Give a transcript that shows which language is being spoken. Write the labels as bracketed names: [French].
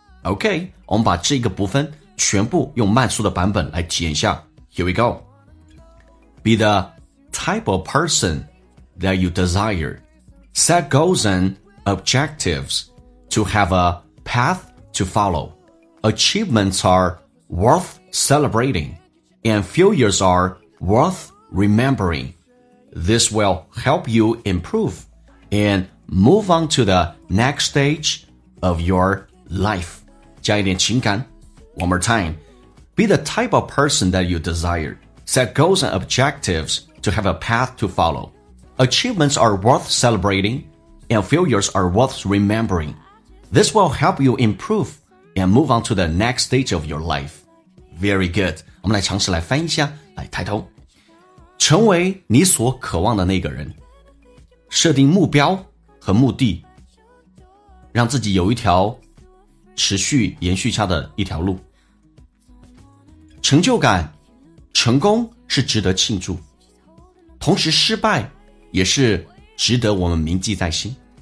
[Chinese] OK， 我们把这个部分全部用慢速的版本来体验一下。 [English] Here we go。 Be the type of person that you desireSet goals and objectives to have a path to follow. Achievements are worth celebrating, and failures are worth remembering. This will help you improve and move on to the next stage of your life. [Chinese] 加一点情感。 [English] One more time. Be the type of person that you desire. Set goals and objectives to have a path to follow. Achievements are worth celebrating, and failures are worth remembering. This will help you improve and move on to the next stage of your life. very good. [Chinese] 我们来尝试来翻译一下，来抬头。成为你所渴望的那个人，设定目标和目的，让自己有一条持续延续下的一条路。成就感，成功是值得庆祝，同时失败也是值得我们铭记在心。